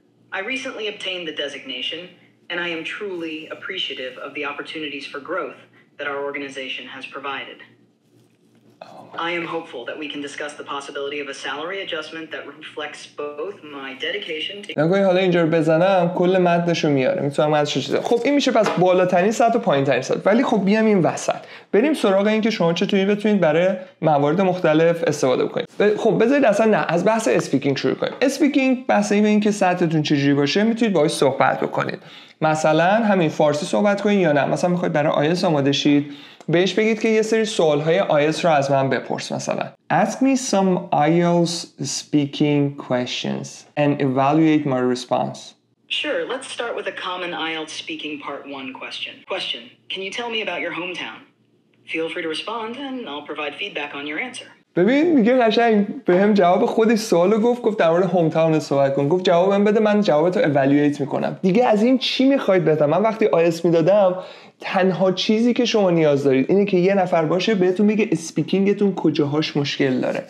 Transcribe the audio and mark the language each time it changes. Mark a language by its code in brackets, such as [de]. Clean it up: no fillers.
[en] I recently obtained the designation, and I am truly appreciative of the opportunities for growth that our organization has provided. I am hopeful that we can discuss the possibility of a salary adjustment that reflects both my dedication to... [fa] نگاهی حالا اینجا رو بزنم کل متنشو میاره. میتونم ازش چیزه. خب این میشه پس بالاترین سطح و پایینترین سطح. ولی خب بیام این وسط. بریم سراغ این که شما چطوری بتونید برای موارد مختلف استفاده بکنید. خب بذارید اصلا نه از بحث اسپیکینگ شروع کنیم. اسپیکینگ بحث این که سطحتون چجوری باشه میتونید باهاش صحبت بکنید. مثلا همین فارسی صحبت کنید یا نه. مثلا میخواید برای آیلتس آماده شید. بهش بگید که یه سری سوال‌های آیلتس رو از من بپرس مثلا. [en] Ask me some IELTS speaking questions and evaluate my response. Sure, let's start with a common IELTS speaking part 1 question. Question, can you tell me about your hometown? Feel free to respond and I'll provide feedback on your answer. [fa] ببین میگه قشنگ به هم جواب خودش سوال رو گفت در مورد هومتاون صحبت کن. گفت جوابم بده من جوابتو اوالیویت میکنم. دیگه از این چی میخواید بهتر؟ من وقتی آیس میدادم تنها چیزی که شما نیاز دارید اینه که یه نفر باشه بهتون میگه اسپیکینگتون کجاهاش مشکل داره.